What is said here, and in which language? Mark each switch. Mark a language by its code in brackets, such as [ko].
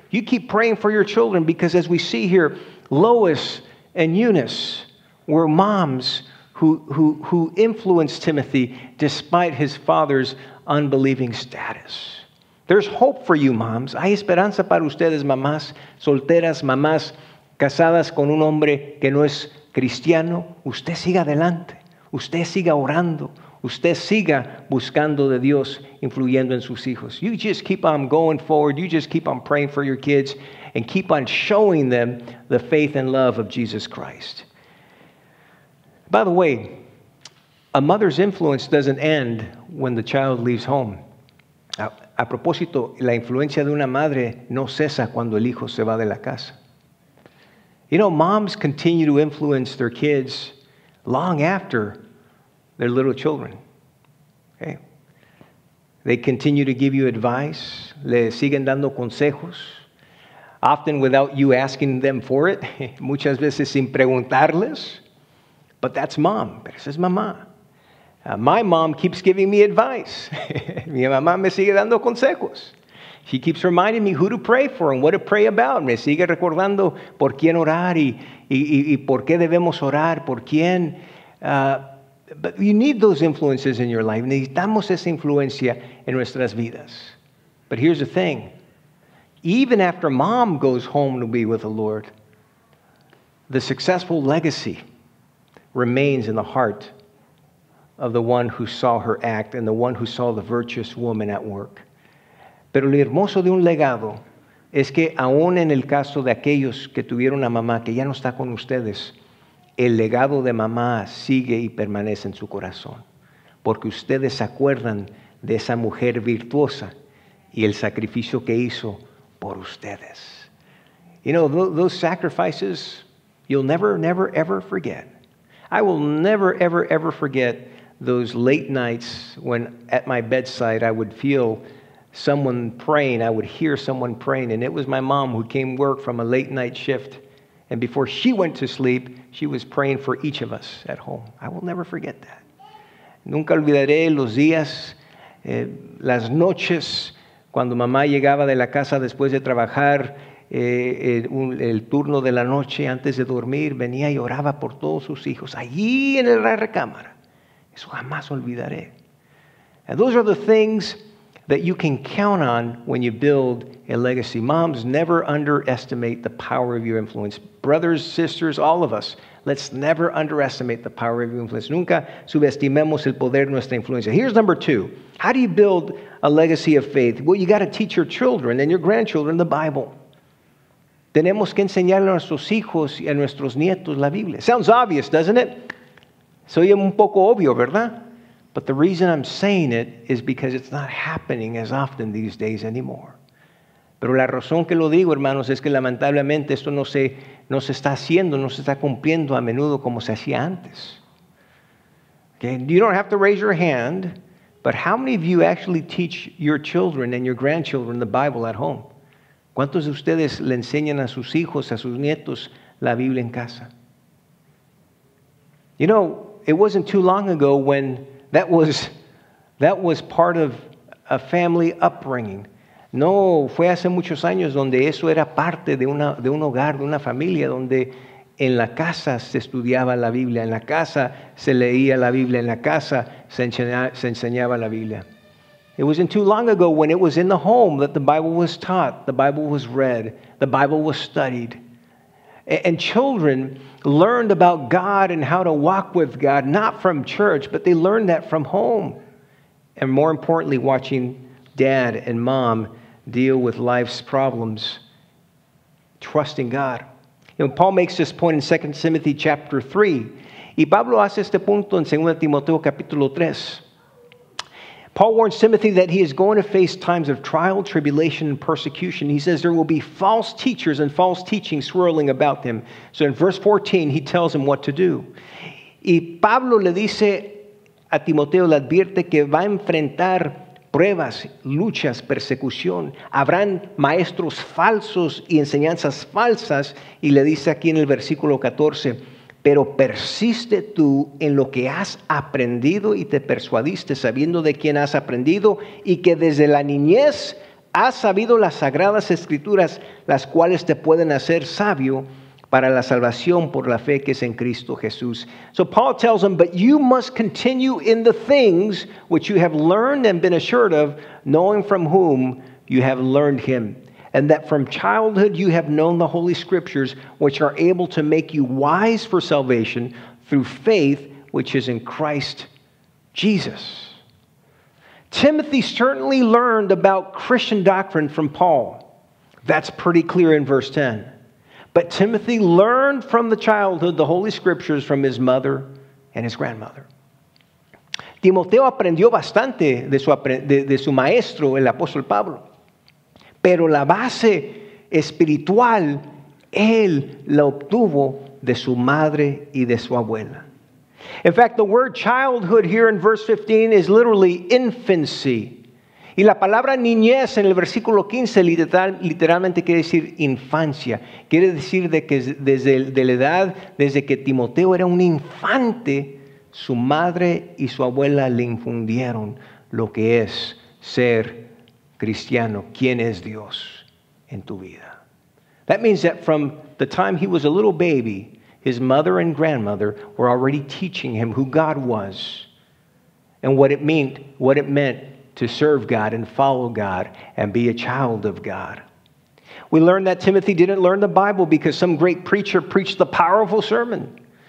[en] You keep praying for your children, because as we see here, Lois and Eunice were moms who influenced Timothy despite his father's unbelieving status. There's hope for you, moms. [es] Hay esperanza para ustedes, mamás solteras, mamás casadas con un hombre que no es cristiano. Usted siga adelante. Usted siga orando. Usted siga buscando de Dios, influyendo en sus hijos. [en] You just keep on going forward. You just keep on praying for your kids and keep on showing them the faith and love of Jesus Christ. By the way, a mother's influence doesn't end when the child leaves home. [es] A propósito, la influencia de una madre no cesa cuando el hijo se va de la casa. [en] You know, moms continue to influence their kids long after their little children. Okay. They continue to give you advice. [es] Le siguen dando consejos. [en] Often without you asking them for it. [es] Muchas veces sin preguntarles. [en] But that's mom. [es] Pero esa es mamá. [en] My mom keeps giving me advice. [es] Mi mamá me sigue dando consejos. [en] She keeps reminding me who to pray for and what to pray about. [es] Me sigue recordando por quién orar y por qué debemos orar, por quién. [en] But you need those influences in your life. [es] Necesitamos esa influencia en nuestras vidas. [en] But here's the thing. Even after mom goes home to be with the Lord, the successful legacy remains in the heart of the one who saw her act and the one who saw the virtuous woman at work. [es] Pero lo hermoso de un legado es que aún en el caso de aquellos que tuvieron a mamá que ya no está con ustedes, el legado de mamá sigue y permanece en su corazón, porque ustedes se acuerdan de esa mujer virtuosa y el sacrificio que hizo por ustedes. [en] You know, those sacrifices, you'll never, never, ever forget. I will never, ever, ever forget those late nights when at my bedside I would feel someone praying, I would hear someone praying, and it was my mom who came work from a late night shift, and before she went to sleep, she was praying for each of us at home. I will never forget that. [es] Nunca olvidaré los días, las noches, cuando mamá llegaba de la casa después de trabajar, el turno de la noche antes de dormir, venía y oraba por todos sus hijos, allí en la recámara. Eso jamás olvidaré. [en] And those are the things that you can count on when you build a legacy. Moms, never underestimate the power of your influence. Brothers, sisters, all of us, let's never underestimate the power of your influence. [es] Nunca subestimemos el poder de nuestra influencia. [en] Here's number two. How do you build a legacy of faith? Well, you got to teach your children and your grandchildren the Bible. [es] Tenemos que enseñarle a nuestros hijos y a nuestros nietos la Biblia. [en] Sounds obvious, doesn't it? [es] Soy un poco obvio, ¿verdad? [en] But the reason I'm saying it is because it's not happening as often these days anymore. [es] Pero la razón que lo digo, hermanos, es que lamentablemente esto no se está haciendo, no se está cumpliendo a menudo como se hacía antes. [en] Okay? You don't have to raise your hand, but how many of you actually teach your children and your grandchildren the Bible at home? [es] ¿Cuántos de ustedes le enseñan a sus hijos, a sus nietos, la Biblia en casa? [en] You know, it wasn't too long ago when that was part of a family upbringing. [es] No, fue hace muchos años donde eso era parte de un hogar, de una familia, donde en la casa se estudiaba la Biblia, en la casa se leía la Biblia, en la casa se enseñaba la Biblia. [en] It wasn't too long ago when it was in the home that the Bible was taught, the Bible was read, the Bible was studied. And children learned about God and how to walk with God, not from church, but they learned that from home. And more importantly, watching dad and mom deal with life's problems trusting God. You know, Paul makes this point in 2 Timothy chapter 3. [es] Y Pablo hace este punto en 2 Timoteo capítulo 3. [en] Paul warns Timothy that he is going to face times of trial, tribulation, and persecution. He says there will be false teachers and false teaching swirling about him. So in verse 14, he tells him what to do. [es] Y Pablo le dice a Timoteo, le advierte que va a enfrentar pruebas, luchas, persecución. Habrán maestros falsos y enseñanzas falsas. Y le dice aquí en el versículo 14, pero persiste tú en lo que has aprendido y te persuadiste, sabiendo de quién has aprendido y que desde la niñez has sabido las sagradas escrituras, las cuales te pueden hacer sabio para la salvación por la fe que es en Cristo Jesús. [en] So Paul tells him, but you must continue in the things which you have learned and been assured of, knowing from whom you have learned him. And that from childhood you have known the holy scriptures, which are able to make you wise for salvation through faith, which is in Christ Jesus. Timothy certainly learned about Christian doctrine from Paul. That's pretty clear in verse 10. But Timothy learned from the childhood the holy scriptures from his mother and his grandmother. [es] Timoteo aprendió bastante de su maestro, el apóstol Pablo. Pero la base espiritual, él la obtuvo de su madre y de su abuela. [en] In fact, the word childhood here in verse 15 is literally infancy. [es] Y la palabra niñez en el versículo 15 literalmente quiere decir infancia. Quiere decir de que desde que Timoteo era un infante, su madre y su abuela le infundieron lo que es ser cristiano, ¿quién es Dios en tu vida? [en] That means that from the time he was a little baby, his mother and grandmother were already teaching him who God was and what it meant to serve God and follow God and be a child of God. We learn that Timothy didn't learn the Bible because some great preacher preached the powerful sermon.